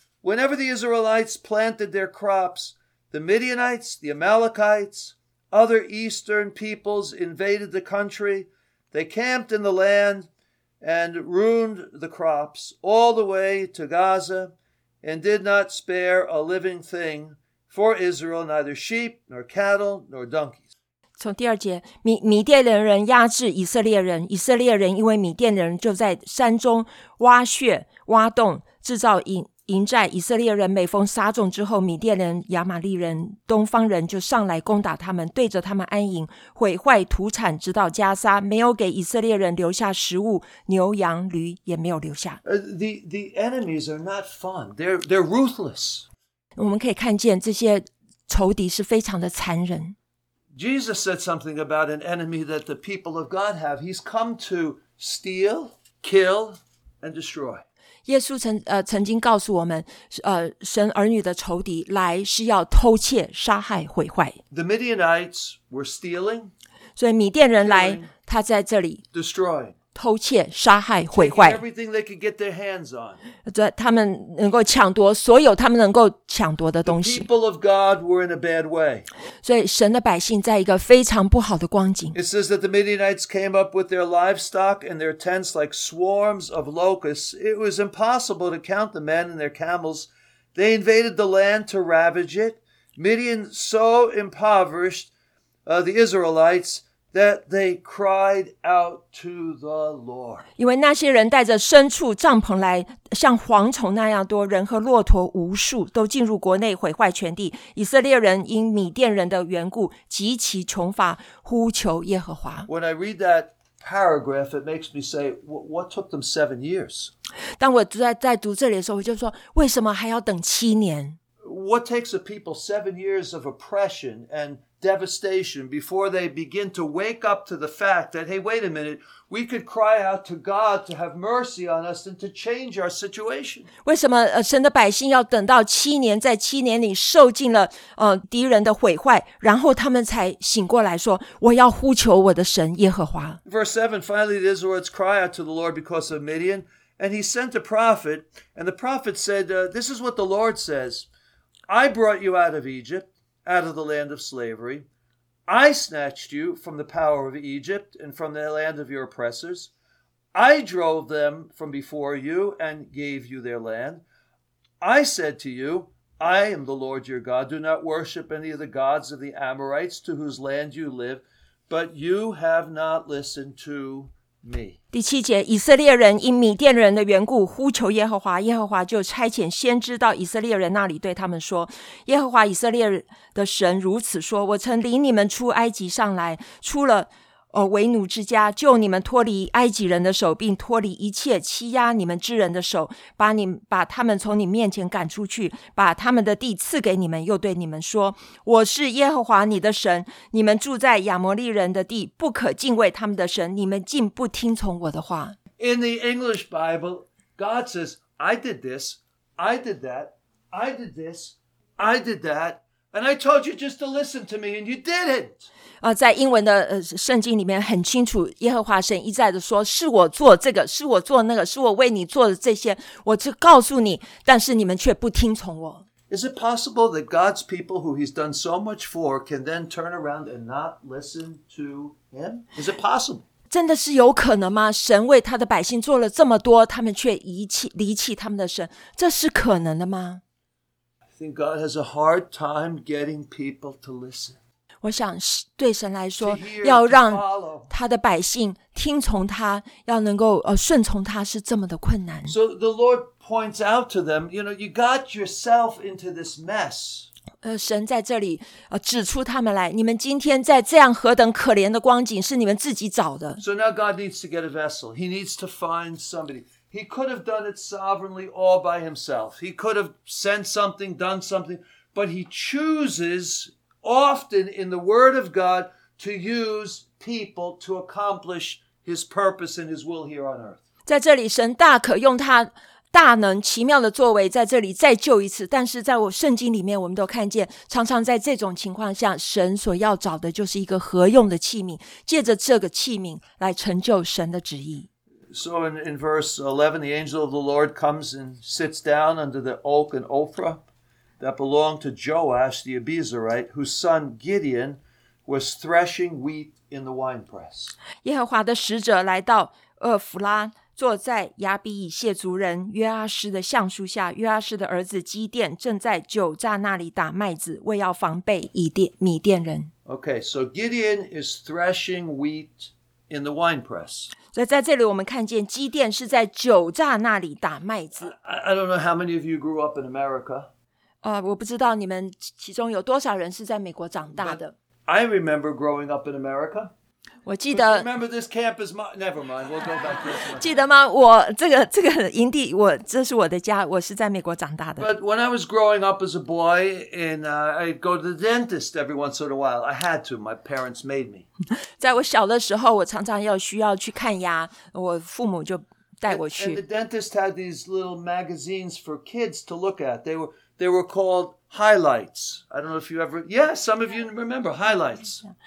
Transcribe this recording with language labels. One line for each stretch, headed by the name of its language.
English: Whenever the Israelites planted their crops, the Midianites, the Amalekites, other eastern peoples invaded the country. They camped in the land. And ruined the crops all the way to Gaza and did not spare a living thing for Israel, neither sheep nor cattle nor donkeys.
Chinese: 从第二节，米甸人压制以色列人，以色列人因为米甸人就在山中挖穴、挖洞、制造营寨。以色列人每逢撒种之后，米甸人、亚玛利人、东方人就上来攻打他们，对着他们安营，毁坏土产，直到加沙，没有给以色列人留下食物，牛羊驴也没有留下。
English: The enemies are not fun. They're ruthless.
Chinese: 我们可以看见这些仇敌是非常的残忍。
English: Jesus said something about an enemy that the people of God have. He's come to steal, kill, and destroy.
Chinese: 耶稣曾经告诉我们，神儿女的仇敌来是要偷窃、杀害、毁坏。
English: The Midianites were stealing.
Chinese: 所以米甸人来，他在这里
English: destroy
Chinese: 偷窃、杀害、毁坏。
English: Everything they could get their hands on.
Chinese: 他们能够抢夺所有他们能够抢夺的东西。
English: The people of God were in a bad way.
Chinese: 所以神的百姓在一个非常不好的光景。
English: It says that the Midianites came up with their livestock and their tents like swarms of locusts. It was impossible to count the men and their camels. They invaded the land to ravage it. Midian so impoverished, the Israelites,That they cried out to the Lord.
Chinese: 因为那些人带着牲畜帐篷来，像蝗虫那样多，人和骆驼无数，都进入国内毁坏全地。以色列人因米甸人的缘故极其穷乏，呼求耶和华。
English: When I read that paragraph, it makes me say, "What took them 7 years?"
Chinese: 当我在读这里的时候，我就说，为什么还要等七年
English: ？What takes a people 7 years of oppression and devastation before they begin to wake up to the fact that, hey, wait a minute, we could cry out to God to have mercy on us and to change our situation.
Chinese: 为什么神的百姓要等到七年，在七年里受尽了敌人的毁坏，然后他们才醒过来说，我要呼求我的神耶和华。
English: Verse 7, finally the Israelites cry out to the Lord because of Midian, and he sent a prophet, and the prophet said, this is what the Lord says, I brought you out of Egypt, out of the land of slavery. I snatched you from the power of Egypt and from the land of your oppressors. I drove them from before you and gave you their land. I said to you, I am the Lord your God. Do not worship any of the gods of the Amorites to whose land you live, but you have not listened to me.
Chinese: 第七节，以色列人因米甸人的缘故呼求耶和华，耶和华就差遣先知到以色列人那里对他们说，耶和华以色列的神如此说，我曾领你们出埃及上来，出了为奴之家，救你们脱离埃及人的手，并脱离一切欺压你们之人的手，把他们从你面前赶出去，把他们的地赐给你们，又对你们说，我是耶和华你的神，你们住在亚摩利人的地，不可敬畏他们的神，你们竟不听从我的话。
English: In the English Bible, God says, I did this, I did that, I did this, I did that, and I told you just to listen to me, and you didn't.
Chinese: 在英文的圣经里面很清楚，耶和华神一再的说，是我做这个，是我做那个，是我为你做的这些，我只告诉你，但是你们却不听从我。
English: Is it possible that God's people who he's done so much for can then turn around and not listen to him? Is it possible?
Chinese: 真的是有可能吗？神为他的百姓做了这么多，他们却离弃他们的神，这是可能的吗？
English: I think God has a hard time getting people to listen.
Chinese: 我想对神来说，要让他的百姓听从他，要能够顺从他是这么的困难。
English: So the Lord points out to them, you know, you got yourself into this mess.
Chinese: 神在这里指出他们来，你们今天在这样何等可怜的光景，是你们自己找的。
English: So now God needs to get a vessel. He needs to find somebody. He could have done it sovereignly all by himself. He could have sent something, done something, but he chooses often in the Word of God to use people to accomplish his purpose and his will here on earth.
Chinese: 在这里，神大可用他大能奇妙的作为在这里再救一次，但是在我圣经里面我们都看见，常常在这种情况下，神所要找的就是一个合用的器皿，借着这个器皿来成就神的旨意。
English: So in verse 11, the angel of the Lord comes and sits down under the oak in Ophrah that belonged to Joash the Abiezrite, whose son Gideon was threshing wheat in the winepress.
Chinese: 耶和华的使者来到厄弗拉，坐在亚比以谢族人约阿施的橡树下，约阿施的儿子基甸正在酒榨那里打麦子，为要防备米甸人。
English: Okay, so Gideon is threshing wheat in the winepress.
Chinese: 所以在这里我们看见基甸是在酒榨那里打麦子。
English: I don't know how many of you grew up in America.
Chinese: 我不知道你们其中有多少人是在美国长大的。
English: I remember growing up in America.
Chinese: 我记得。
English: Remember this camp is my, never mind, we'll go back to it.
Chinese: 记得吗？我这个营地，我这是我的家，我是在美国长大的。
English: But when I was growing up as a boy, and I'd go to the dentist every once in a while, I had to, my parents made me.
Chinese: 在我小的时候，我常常需要去看牙，我父母就带我去。
English: And the dentist had these little magazines for kids to look at. They were called Highlights. I don't know if you ever, yeah, some of you remember Highlights.